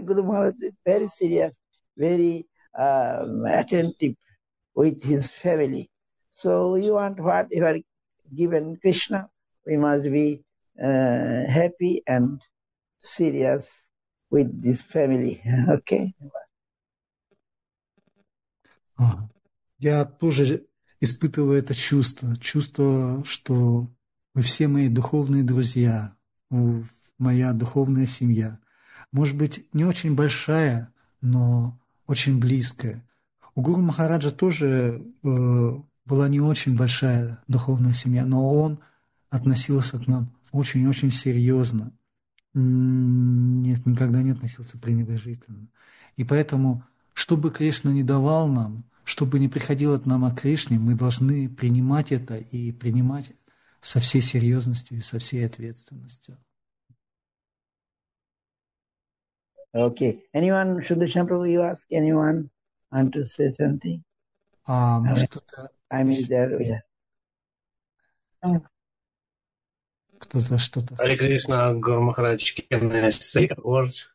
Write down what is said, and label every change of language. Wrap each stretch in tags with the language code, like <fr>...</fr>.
<en>Guru Maharaj is very serious, very attentive with his family. So you want what you are given Krishna, we must be happy and serious with this family. Okay.</en> <ru>Я тоже испытываю это чувство, чувство, что вы все мои духовные друзья, моя духовная семья. Может быть, не очень большая, но очень близкая. У Гуру Махараджа тоже была не очень большая духовная семья, но он относился к нам очень-очень серьезно. Нет, никогда не относился пренебрежительно. И поэтому, что бы Кришна ни давал нам, что бы ни приходило к нам о Кришне, мы должны принимать это и принимать со всей серьезностью и со всей ответственностью.</ru> <en>Okay. Anyone, Shundeshan Prabhu, you ask anyone want to say something? I mean, there we are.</en> <ru>Кто-то что-то.</ru> <en>Hare Krishna, Guru Maharaj, can I say a word?</en>